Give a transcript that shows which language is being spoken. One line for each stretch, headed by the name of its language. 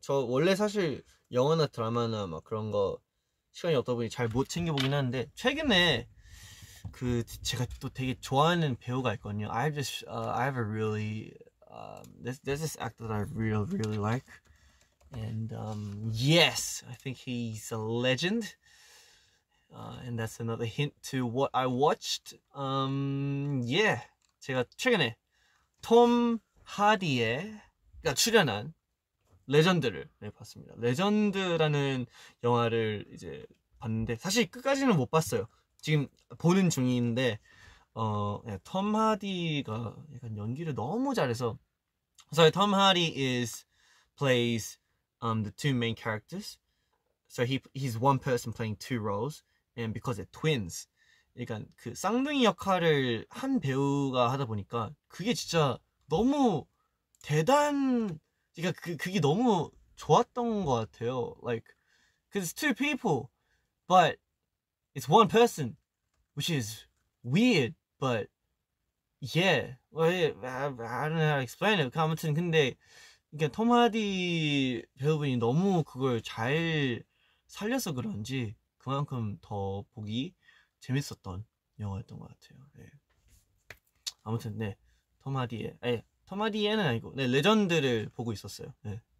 Korean: 저 원래 사실 영화나 드라마나 막 그런 거 시간이 없다 보니 잘 못 챙겨 보긴 하는데 최근에 그 제가 또 되게 좋아하는 배우가 있거든요.
English: I have a really there's this actor that I really really like. And yes, I think he's a legend. And that's another hint to what I watched.
Korean: Yeah, 제가 최근에 톰 하디가 출연한 레전드를 네, 봤습니다. 레전드라는 영화를 이제 봤는데 사실 끝까지는 못 봤어요. 지금 보는 중인데 톰 하디가 약간 연기를 너무 잘해서
English: So Tom Hardy plays the two main characters. So he's one person playing two roles. And because they're twins,
Korean: 약간 그 쌍둥이 역할을 한 배우가 하다 보니까 그게 진짜 너무 대단, 그러니까 그게 너무 좋았던 것 같아요.
English: Like, 'cause it's two people, but it's one person, which is weird, but yeah. I don't know how to explain it.
Korean: 아무튼 근데 이게 톰 하디 배우분이 너무 그걸 잘 살려서 그런지 그만큼 더 보기 재밌었던 영화였던 것 같아요. 네. 아무튼 네, 톰 하디의 에 톰 하디에는 아니고 네, 레전드를 보고 있었어요. 네.